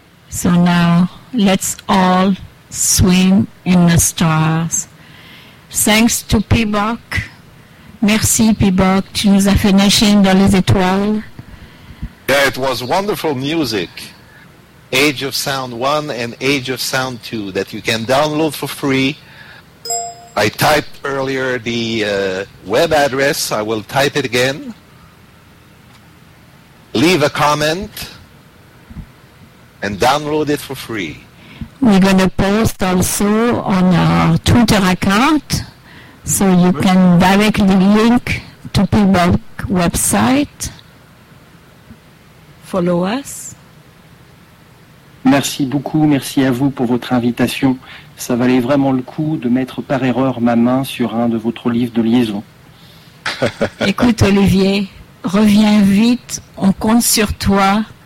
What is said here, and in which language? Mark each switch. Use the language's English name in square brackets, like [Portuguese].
[English] So now let's all swim in the stars. Thanks to Peabok. [French] Merci Peabok, tu nous as fait nager dans les étoiles. [English] Yeah, it was wonderful music. Age of Sound 1 and Age of Sound 2 that you can download for free. I typed earlier the web address. I will type it again. Leave a comment and download it for free. We're going to post also on our Twitter account so you can directly link to Peabok website. Follow us. [French] Merci beaucoup, merci à vous pour votre invitation. Ça valait vraiment le coup de mettre par erreur ma main sur un de votre livre de liaison. Écoute Olivier, reviens vite, on compte sur toi.